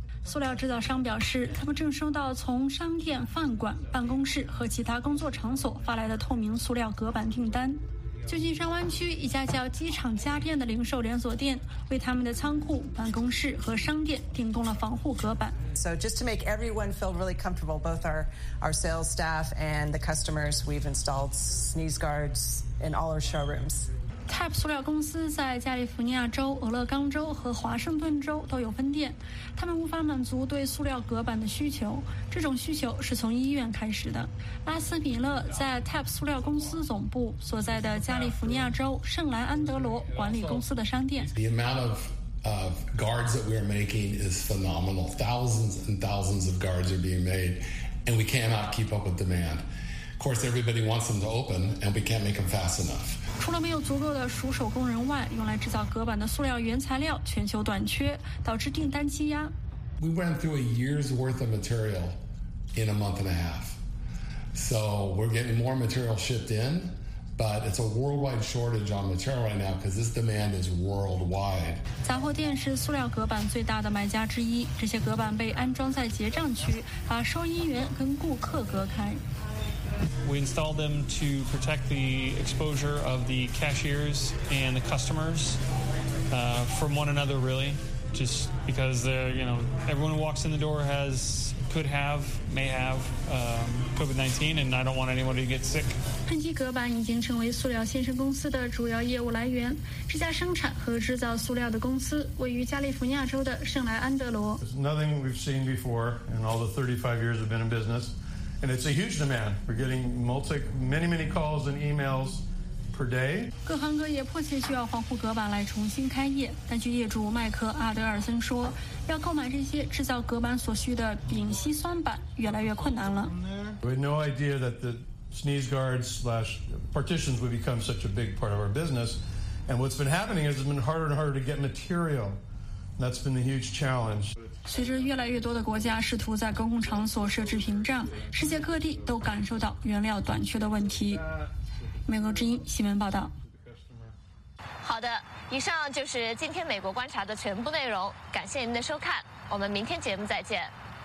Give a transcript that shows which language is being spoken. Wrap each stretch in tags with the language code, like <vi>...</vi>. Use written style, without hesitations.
<zh>塑料制造商表示，他们正收到从商店、饭馆、办公室和其他工作场所发来的透明塑料隔板订单。旧金山湾区一家叫机场家电的零售连锁店为他们的仓库、办公室和商店订购了防护隔板。</zh> <en>So just to make everyone feel really comfortable, both our sales staff and the customers, we've installed sneeze guards in all our showrooms.</en> <zh>TAP 塑料公司在加利福尼亚州、俄勒冈州和华盛顿州都有分店，他们无法满足对塑料隔板的需求，这种需求是从医院开始的。拉斯米勒在 TAP 塑料公司总部所在的加利福尼亚州圣莱安德罗管理公司的商店。</zh> <en>The amount of guards that we're making is phenomenal. Thousands and thousands of guards are being made and we cannot keep up with demand. Of course everybody wants them to open and we can't make them fast enough.</en> <zh>除了没有足够的熟手工人外，用来制造隔板的塑料原材料全球短缺，导致订单积压。</zh> <en>We went through a year's worth of material in a month and a half. So we're getting more material shipped in, but it's a worldwide shortage on material right now because this demand is worldwide.</en> <zh>杂货店是塑料隔板最大的买家之一，这些隔板被安装在结账区，把收银员跟顾客隔开。</zh> <en>We installed them to protect the exposure of the cashiers and the customers from one another, really, just because they're, you know, everyone who walks in the door has, could have, may have COVID-19, and I don't want anybody to get sick.</en> <zh>喷嚏隔板已经成为塑料先生公司的主要业务来源。这家生产和制造塑料的公司位于加利福尼亚州的圣莱安德罗。</zh> <en>It's nothing we've seen before in all the 35 years we've been in business. And it's a huge demand. We're getting many, many calls and emails per day.</en> <zh>各行各业迫切需要防护隔板来重新开业。但据业主麦克·阿德尔森说，要购买这些制造隔板所需的丙烯酸板越来越困难了。</zh> <en>We had no idea that the sneeze guards / partitions would become such a big part of our business. And what's been happening is it's been harder and harder to get material. That's been the huge challenge.</en> <zh>随着越来越多的国家试图在公共场所设置屏障，世界各地都感受到原料短缺的问题。美国之音新闻报道。好的，以上就是今天美国观察的全部内容，感谢您的收看，我们明天节目再见。</zh>